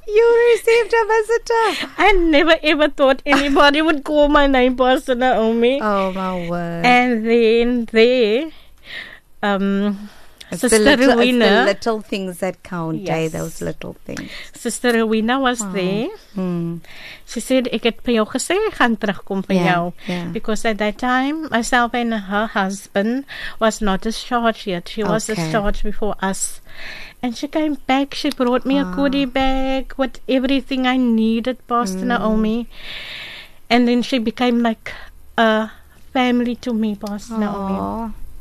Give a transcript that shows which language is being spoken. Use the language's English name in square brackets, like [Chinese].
[English] You received a visitor. I never ever thought anybody would call my name, Pastor Naomi. Oh my word. And then there, Sister Rowena. It's the little things that count, yes. Eh, those little things. Sister Rowena was there. She said, [Afrikaans] ek het vir jou gesê, gaan terugkom vir jou. [English] Yeah. Because at that time, myself and her husband was not discharged yet. She was discharged before us. And she came back. She brought me a goodie bag with everything I needed, Pastor Naomi. And then she became like a family to me, Pastor Naomi.